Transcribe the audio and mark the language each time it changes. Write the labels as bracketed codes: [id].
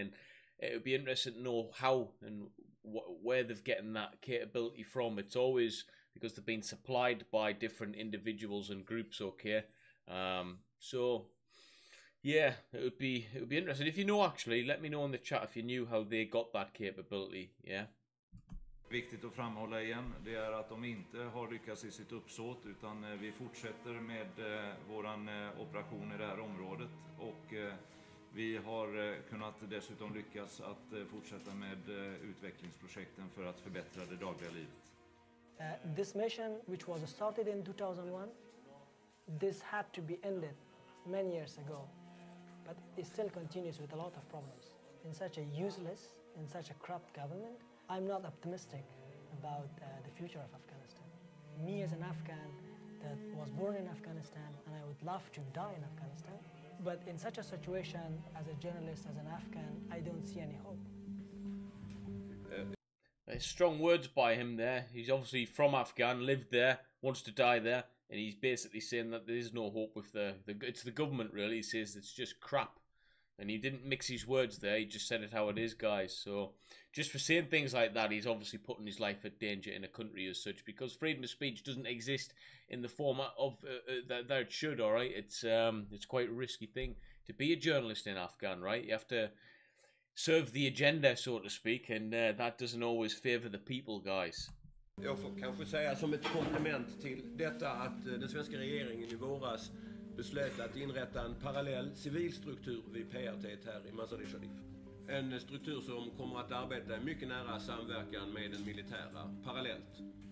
[en] And it would be interesting to know how and where they've getting that capability from. It's always because they've been supplied by different individuals and groups, okay? So yeah, it would be interesting. If you know, actually, let me know in the chat if you knew how they got that capability, yeah? [sv] Viktigt att framhålla igen, det är att de inte har lyckats i sitt uppsåt, utan vi fortsätter med våran operation i det här området och vi har kunnat dessutom lyckas att fortsätta med utvecklingsprojekten för att förbättra det dagliga livet. [en] This mission, which was started in 2001, this had to be ended many years ago, but it still continues with a lot of problems. In such a useless, in such a corrupt government, I'm not optimistic about the future of Afghanistan. Me as an Afghan that was born in Afghanistan and I would love to die in Afghanistan, but in such a situation as a journalist, as an Afghan, I don't see any hope. Strong words by him there. He's obviously from Afghan, lived there, wants to die there, and he's basically saying that there is no hope with it's the government really. He says it's just crap. And he didn't mix his words there, he just said it how it is, guys. So, just for saying things like that, he's obviously putting his life at danger in a country as such, because freedom of speech doesn't exist in the format of that it should, all right? It's quite a risky thing to be a journalist in Afghan, right? You have to serve the agenda, so to speak, and that doesn't always favour the people, guys. [sv] Jag får kanske säga som ett komplement till detta att den svenska regeringen i våras beslöt att inrätta en parallell civil struktur vid PRT här i mazar-e. En struktur som kommer att arbeta i mycket nära samverkan med den militära parallellt.